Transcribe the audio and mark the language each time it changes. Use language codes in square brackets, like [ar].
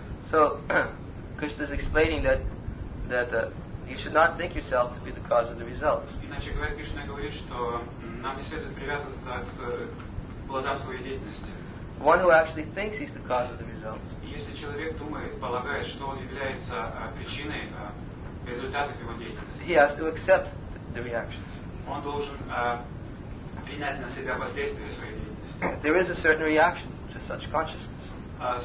[en] So, Krishna is explaining that you should not think yourself to be the cause of the results. [ru] Иначе говоря, Кришна говорит, что нам не следует привязываться к плодам своей деятельности. [en] One who actually thinks he's the cause of the results. [ru] Если человек думает, полагает, что он является причиной результатов его деятельности. [en] He has to accept the reactions. [ru] Он должен принять на себя последствия своей деятельности. [en] There is a certain reaction to such consciousness.